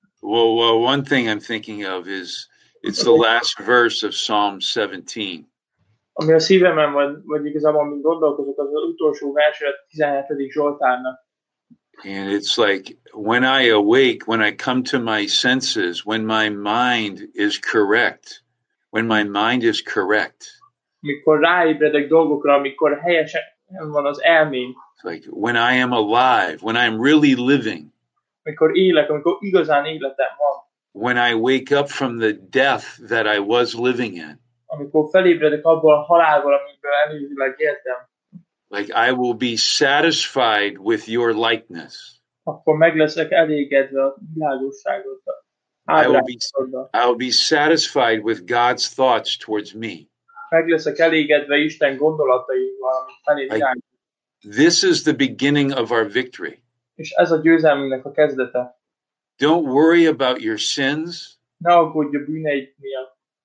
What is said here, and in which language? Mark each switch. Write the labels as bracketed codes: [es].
[en] Well, one thing I'm thinking of is it's the last verse of Psalm 17. [hu] Ami a szívemben van, vagy igazából amit gondolkozok, az utolsó verse a 17. Zsoltárnak. [en] And it's like when I awake, when I come to my senses, when my mind is correct, when my mind is correct. [hu] Mikor ráébredek dolgokra, amikor helyesen van az elmém. [en] Like when I am alive, when I'm really living. [hu] Amikor élek, amikor igazán életem van. [en] When I wake up from the death that I was living in. [hu] Amikor felébredek abból a halálból, amiből előzőleg éltem. [en] Like I will be satisfied with your likeness. [hu] Akkor meg leszek elégedve a világosságoddal. [en] I'll be satisfied with God's thoughts towards me. [hu] Meg leszek elégedve Isten gondolataival, amit felét járunk. [en] This is the beginning of our victory. [hu] És ez a győzelmünknek a kezdete. [en] Don't worry about your sins. [hu] Ne aggódj a bűneid miatt.